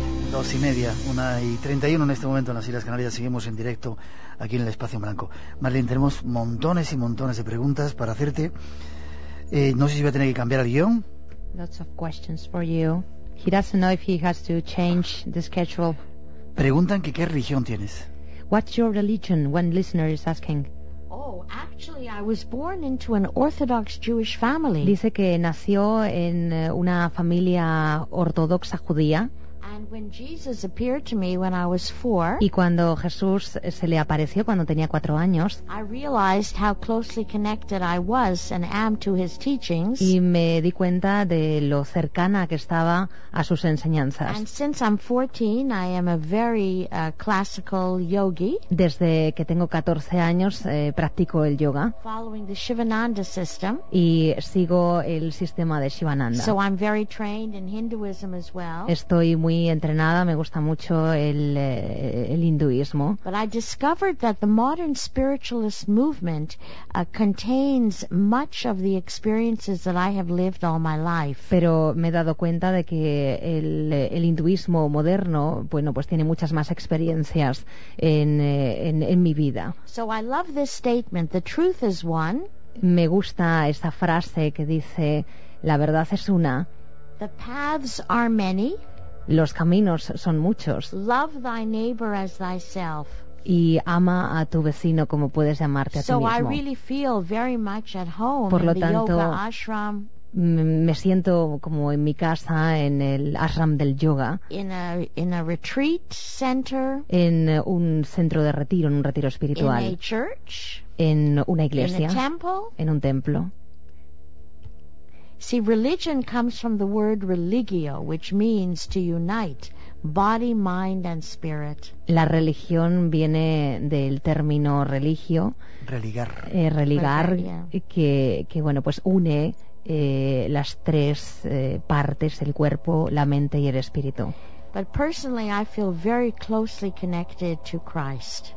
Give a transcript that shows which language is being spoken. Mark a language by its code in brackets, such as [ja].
[es] Dos y media, 1:31 en este momento en las Islas Canarias. Seguimos en directo aquí en el Espacio en Blanco. Marlene, tenemos montones y montones de preguntas para hacerte. No sé si voy a tener que cambiar el guión. [en] Lots of questions for you. He doesn't know if he has to change the schedule. [es] Preguntan que qué religión tienes. [en] What's your religion? One listener is asking. Oh, actually, I was born into an Orthodox Jewish family. [es] Dice que nació en una familia ortodoxa judía. [en] And when Jesus appeared to me when I was 4, [es] y cuando Jesús se le apareció cuando tenía 4 años, [en] I realized how closely connected I was and am to his teachings. [es] Y me di cuenta de lo cercana que estaba a sus enseñanzas. [en] And since I'm 14, I am a very classical yogi. [es] Desde que tengo 14 años practico el yoga. [en] Following the Shivananda system. [es] Y sigo el sistema de Shivananda. [en] So I'm very trained in Hinduism as well. [es] Estoy muy entrenada, me gusta mucho el hinduismo. [en] But I discovered that the modern spiritualist movement contains much of the experiences that I have lived all my life. [es] Pero me he dado cuenta de que el hinduismo moderno, bueno, pues tiene muchas más experiencias en mi vida. [en] So I love this statement, the truth is one. [es] Me gusta esta frase que dice, la verdad es una. [en] The paths are many. [es] Los caminos son muchos. [en] Love thy neighbor as thyself. [es] Y ama a tu vecino como puedes llamarte a ti mismo. [en] So I really feel very much at home. [es] Por lo [en] in [es] tanto, [en] the yoga ashram. [es] Me siento como en mi casa, en el ashram del yoga. [en] In a retreat center. [es] En un centro de retiro, en un retiro espiritual. [en] In a church. [es] En una iglesia. [en] In a temple. [es] En un templo. [en] See, religion comes from the word religio, which means to unite body, mind, and spirit. [es] La religión viene del término religio. Religar. Religar, que bueno, pues une las tres partes, el cuerpo, la mente y el espíritu. [en] But personally, I feel very closely connected to Christ.